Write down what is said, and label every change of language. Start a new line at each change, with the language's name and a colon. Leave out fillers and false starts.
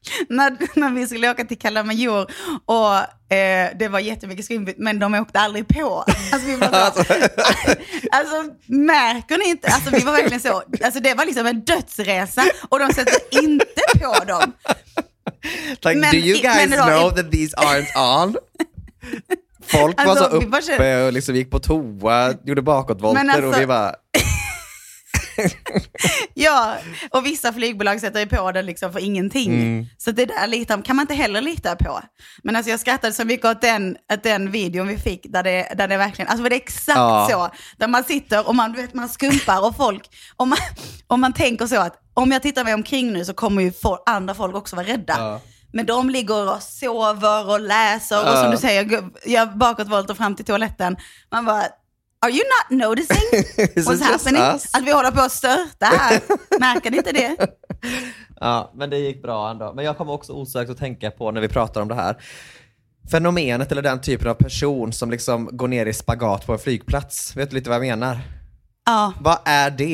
Swedish: När vi skulle åka till Kalamajor och det var jättemycket skumpigt, men de åkte aldrig på. Alltså, vi bara, alltså märker ni inte? Alltså, vi var verkligen så. Alltså, det var liksom en dödsresa och de sätter inte på dem.
English: Like, men, do you guys know that these aren't on?
Swedish: Folk var alltså, så uppe och liksom gick på toa, gjorde bakåtvolter, men alltså, och vi bara... Ja, och vissa flygbolag sätter ju på det liksom för ingenting. Mm. Så det där lite kan man inte heller lita på. Men alltså jag skrattade så mycket åt den videon vi fick där det verkligen, alltså var det exakt, ja. Så där man sitter och man vet man skumpar och folk om man tänker så att om jag tittar mig omkring nu så kommer ju andra folk också vara rädda. Ja. Men de ligger och sover och läser och som du säger jag bakåt valt och fram till toaletten. Man bara,
English: are you not noticing what's happening?
Swedish: Att vi håller på att störta här. Märker ni inte det? Ja, men det gick bra ändå. Men jag kommer också osökt att tänka på när vi pratar om det här. Fenomenet eller den typen av person som liksom går ner i spagat på en flygplats. Vet du lite vad jag menar? Ja. Vad är det?